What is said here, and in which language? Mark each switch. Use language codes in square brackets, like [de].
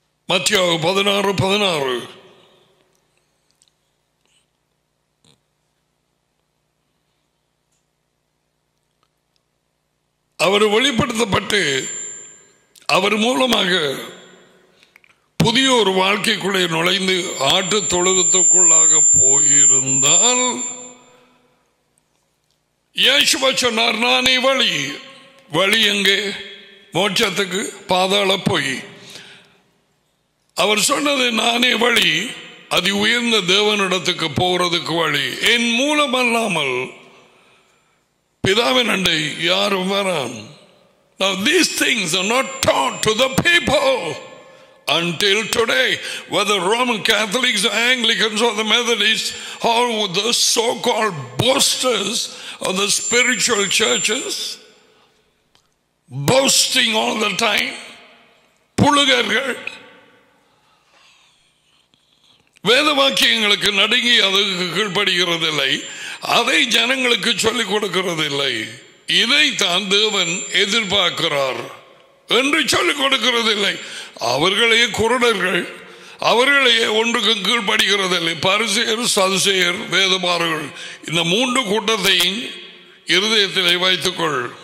[ta] மத்தேயு 16:16 அவர் வெளிப்படுத்தப்பட்டு அவர் மூலமாக புதிய ஒரு வாழ்க்கைக்குள்ளே நுழைந்து ஆட்டு தொழுவத்துக்குள்ளாக போயிருந்தால் இயேசுவா சொன்னார், நானே வழி. வழி எங்கே? மோட்சத்துக்கு பாதாள போய். அவர் சொன்னது நானே வழி, அதி உயர்ந்த தேவனிடத்துக்கு போறதுக்கு வழி. என் மூலமல்லாமல் பிதாவின் அண்டை யாரும் வரான். [en] Now these things are not taught to the people until today, whether Roman Catholics or Anglicans or the Methodists or the so-called boasters of the spiritual churches, boasting all the time, [ta] புழுகர்கள் வேத வாக்கியங்களுக்கு நடுங்கி அதுக்கு கீழ்படுகிறதில்லை, அதை ஜனங்களுக்கு சொல்லிக் கொடுக்கிறதில்லை. இதைத்தான் தேவன் எதிர்பார்க்கிறார் என்று சொல்லிக் கொடுக்கிறதில்லை. அவர்களே குருடர்கள், அவர்களே ஒன்றுக்கும் கீழ்படுகிறதில்லை. பரிசேயர், சதுசேயர், வேதபாரர்கள், இந்த மூன்று கூட்டத்தையும் இருதயத்திலே வைத்துக்கொள்.